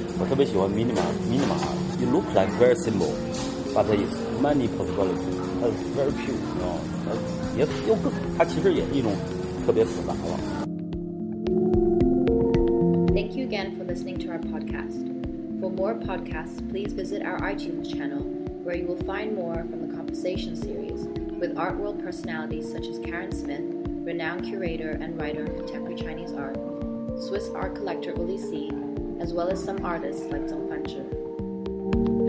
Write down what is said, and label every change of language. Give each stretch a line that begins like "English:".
Chinese: 我特别喜欢
English: minimal it looks like very simple but it's many possibilities it's very pure you know?
Chinese: 它其实也是一种特别复杂的。
English: Thank you again for listening to our podcast. For more podcasts, please visit our iTunes channel where you will find more from the Conversation series with art world personalities such as Karen Smith, renowned curator and writer of contemporary Chinese art, Swiss art collector Uli Si, as well as some artists like Zhong Fanchun.